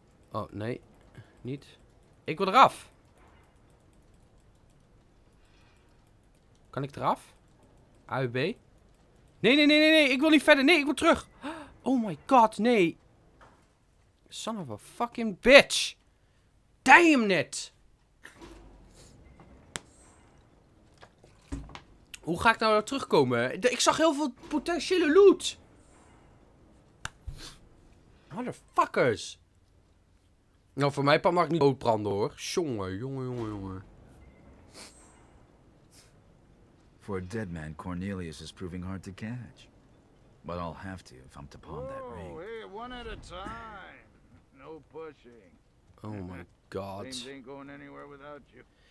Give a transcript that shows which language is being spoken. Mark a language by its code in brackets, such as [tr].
[nl] Oh, nee. Niet. Ik wil eraf. Kan ik eraf? A, B. Nee, nee, nee, nee, nee. Ik wil niet verder. Nee, ik wil terug. [en] Oh my god, [nl] nee. [en] Son of a fucking bitch. Damn it. [nl] Hoe ga ik nou terugkomen? Ik zag heel veel potentiële loot. Motherfuckers. Nou, voor mij mag ik niet doodbranden hoor. Jongen. [en] For a dead man, Cornelius is proving hard to catch. But I'll have to if I'm to pawn that ring. Oh, hey, one at a time. No pushing. Oh my god. Things ain't going anywhere without you.